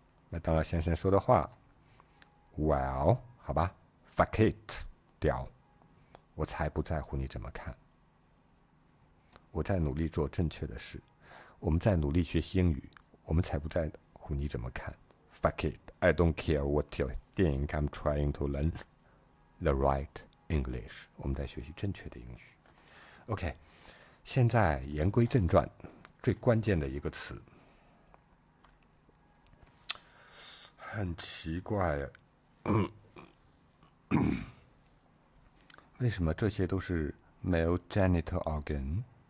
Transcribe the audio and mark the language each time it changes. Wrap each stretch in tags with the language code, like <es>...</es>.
<zh>麦当劳先生说的话 ，Well， 好吧 ，</zh> <en>fuck it，</en> <zh>屌，我才不在乎你怎么看。我在努力做正确的事，我们在努力学习英语，我们才不在乎你怎么看。</zh> <en>Fuck it，I don't care what you think. I'm trying to learn the right English.</en> <zh>我们在学习正确的英语。OK， 现在言归正传，最关键的一个词。很奇怪，为什么这些都是</zh> <en>male genital organ？</en>